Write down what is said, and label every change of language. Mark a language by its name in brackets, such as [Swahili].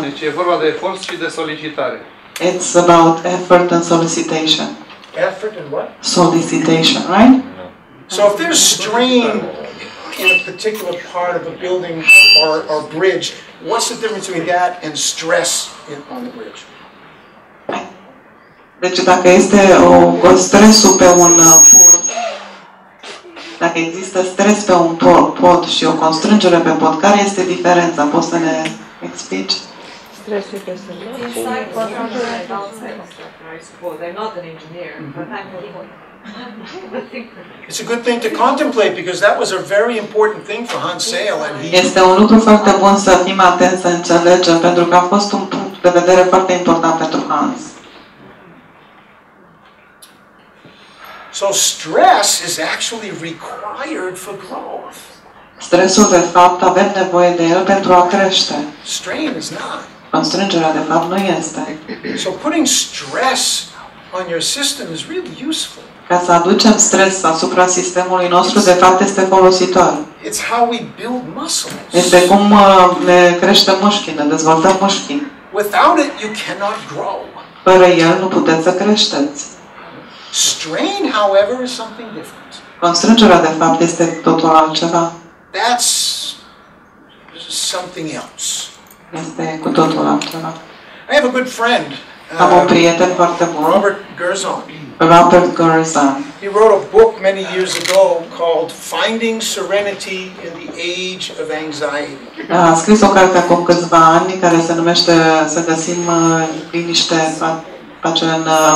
[Romanian] Deci e vorba de efort și de solicitare. [English] It's about effort and solicitation. Effort and what? Solicitation, right? No. So if there's strain in a particular part of a building or bridge, what's the difference between that and stress on the bridge? [Romanian] Deci dacă este o stresul pe un pod, dacă există stres pe un pod și o constrângere pe pod, care este diferența? Poți să ne explici? [English] It's a good thing to contemplate because that was a very important thing for Hans Seyli. [Romanian] Este un lucru foarte bun să fim atenți să înțelegem pentru că a fost un punct de vedere foarte important pentru Hans. [English] So stress is actually required for growth. [Romanian] Stresul de fapt avem nevoie de el pentru a crește. [English] Strain is not. [Romanian] Constrângerea de fapt nu este. [English] So putting stress on your system is really useful. [Romanian] Ca să aducem stres asupra sistemului nostru, de fapt, este folositor. [English] It's how we build muscles. [Romanian] Este cum ne creștem mușchii, ne dezvoltăm mușchii. [English] Without it, you cannot grow. [Romanian] Fără el, nu puteți să creșteți. [English] Strain, however, is something different. [Romanian] Constrângerea, de fapt, este totul altceva. [English] That's something else. [Romanian] Este cu totul altceva. [English] I have a good friend. [Romanian] Am un prieten foarte bun. [English] Robert Gerson. [Romanian] Robert Gerson. [English] He wrote a book many years ago called Finding Serenity in the Age of Anxiety. [Romanian] A scris o carte acum câțiva ani care se numește Să găsim liniște, pace în...